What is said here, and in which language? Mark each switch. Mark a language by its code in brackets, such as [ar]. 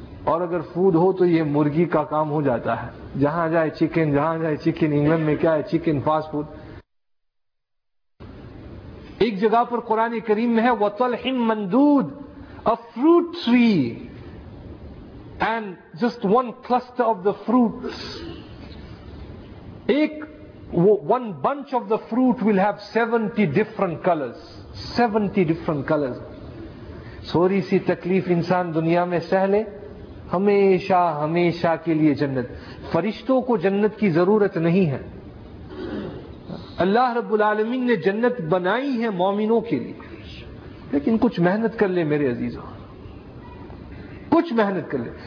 [ur] اور اگر فوڈ ہو تو یہ مرغی کا کام ہو جاتا ہے. جہاں جائے چکن, جہاں جائے چکن. انگلینڈ میں کیا ہے؟ Chicken, fast food. ایک جگہ پر قرآن کریم میں ہے [ar] وَطَلْحٍ مَنْدُودٍ [en] a fruit tree and just one cluster of the fruits. [ur] ایک [en] one bunch of the fruit will have 70 different colors. 70 different colors. [ur] Sorry سی تکلیف انسان دنیا میں سہلے ہمیشہ ہمیشہ کے لیے جنت. فرشتوں کو جنت کی ضرورت نہیں ہے. اللہ رب العالمین نے جنت بنائی ہے مومنوں کے لیے, لیکن کچھ محنت کر لیں میرے عزیزوں, کچھ محنت کر لیں.